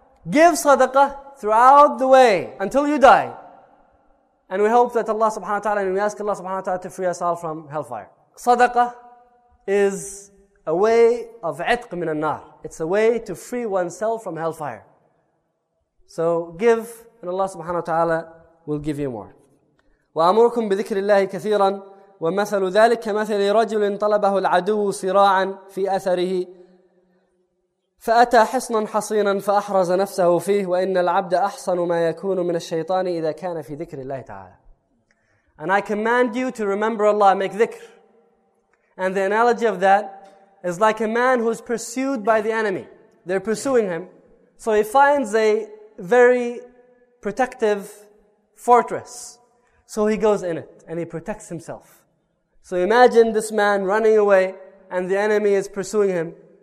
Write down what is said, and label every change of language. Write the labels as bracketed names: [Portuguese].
[English] Give sadaqah throughout the way until you die. And we hope that Allah subhanahu wa ta'ala, and we ask Allah subhanahu wa ta'ala to free us all from hellfire. Sadaqah is a way of [Arabic] itq min an-nar. [English] It's a way to free oneself from hellfire. So give, and Allah subhanahu wa ta'ala will give you more. [Arabic] وَأَمُرُكُمْ بِذِكْرِ اللَّهِ كَثِيرًا وَمَثَلُ ذَلِكَ مَثَلِ رَجُلٍ طَلَبَهُ الْعَدُوُ صِرَاعًا فِي أَثَرِهِ فأتى حصنا حصينا فأحرز نفسه فيه وإن العبد أحصن ما يكون من الشيطان إذا كان في ذكر الله تعالى. [English] And I command you to remember Allah, make dhikr. And the analogy of that is like a man who is pursued by the enemy. They're pursuing him. So he finds a very protective fortress. So he goes in it and he protects himself. So imagine this man running away and the enemy is pursuing him.